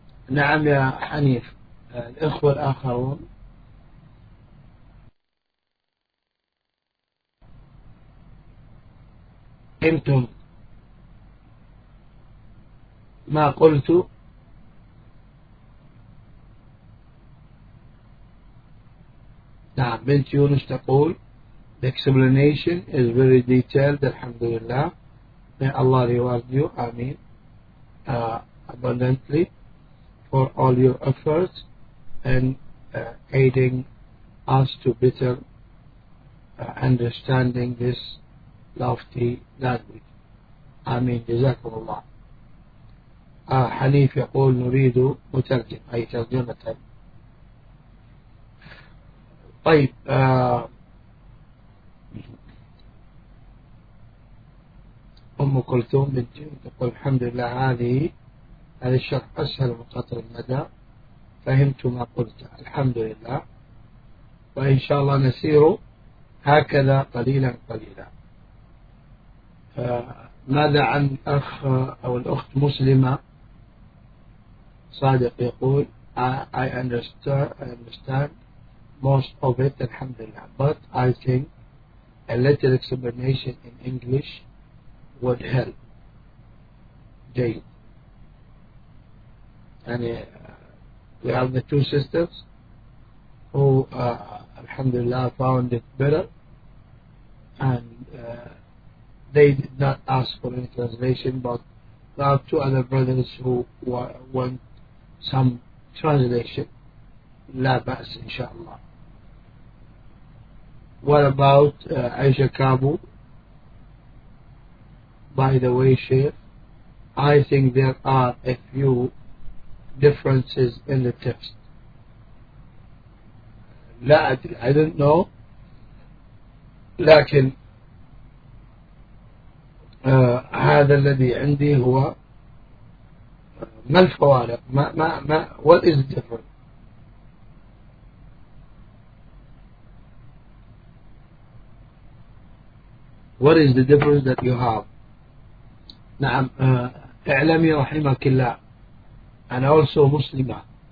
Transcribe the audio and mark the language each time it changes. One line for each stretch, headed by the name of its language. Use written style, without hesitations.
Arabic: نعم يا حنيف. الإخوة الآخرون أنتم ما قلت نعم. بنت يونس تقول
English: the explanation is very detailed.
Arabic: الحمد لله.
English: May Allah reward you.
Arabic: آمين.
English: Abundantly for all your efforts and aiding us to better understanding this lofty language.
Arabic: آمين. جزاكم الله. حنيف يقول نريد مترجم، أي ترجمة. طيب أم كلثوم تقول الحمد لله هذا الشرح أسهل وقطر المدى، فهمت ما قلت الحمد لله، وإن شاء الله نسير هكذا قليلا قليلا. ماذا عن أخ أو الأخت مسلمة؟ صادق يقول
English: I understand most of it
Arabic: الحمد لله،
English: but I think a little explanation in English would help.
Arabic: جيد.
English: يعني we have the two sisters who alhamdulillah found it better, and they did not ask for any translation, but there are two other brothers who want some translation.
Arabic: لا بأس إن شاء الله.
English: What about Aisha Kabu? By the way, Sheikh, I think there are a few differences in the text.
Arabic: لا أدري.
English: I don't know.
Arabic: لكن هذا الذي عندي هو ما الفوارق؟ ما
English: what is different? What is the difference that you have?
Arabic: نعم اعلمي رحمك الله
English: and also
Arabic: Muslima.